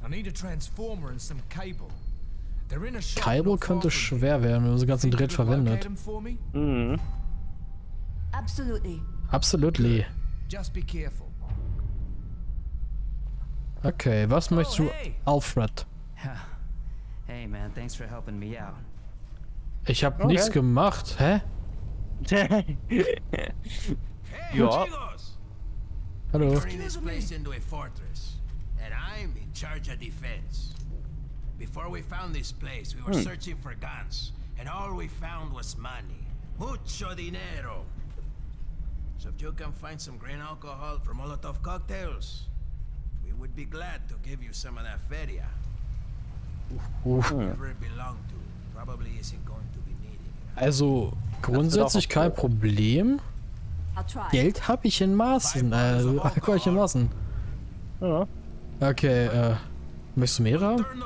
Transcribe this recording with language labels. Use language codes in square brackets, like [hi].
[en] I need a transformer and some cable. They're in a shop. [de] Kabel könnte schwer werden, wenn man so ganz ein Dreh verwendet. Mhm. [en] Absolutely. Absolutely. Just be careful. [de] Okay, was möchtest du, Alfred? [en] Hey man, thanks for helping me out. [de] Ich hab nichts gemacht, hä? [en] Hey, [de] Chigos! Hallo. [en] You're turning this place into a fortress, and I'm in charge of defense. Before we found this place, we were searching for guns, and all we found was money. [es] Mucho dinero. [en] So if you can find some grain alcohol for Molotov cocktails, we would be glad to give you some of that feria. Whatever it belonged to, probably isn't going to be needed. [de] Also, grundsätzlich kein Problem. Geld habe ich in Maßen. Alkohol ich in Maßen. Ja. Okay, möchtest du mehr haben?